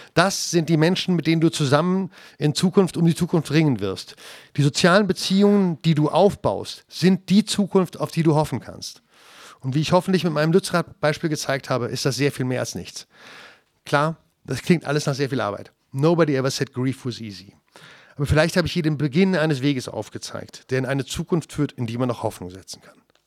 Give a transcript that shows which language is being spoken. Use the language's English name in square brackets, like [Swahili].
[German] Das sind die Menschen, mit denen du zusammen in Zukunft um die Zukunft ringen wirst. Die sozialen Beziehungen, die du aufbaust, sind die Zukunft, auf die du hoffen kannst. Und wie ich hoffentlich mit meinem Lützerath-Beispiel gezeigt habe, ist das sehr viel mehr als nichts. Klar, das klingt alles nach sehr viel Arbeit. [English] Nobody ever said grief was easy. [German] Aber vielleicht habe ich hier den Beginn eines Weges aufgezeigt, der in eine Zukunft führt, in die man noch Hoffnung setzen kann.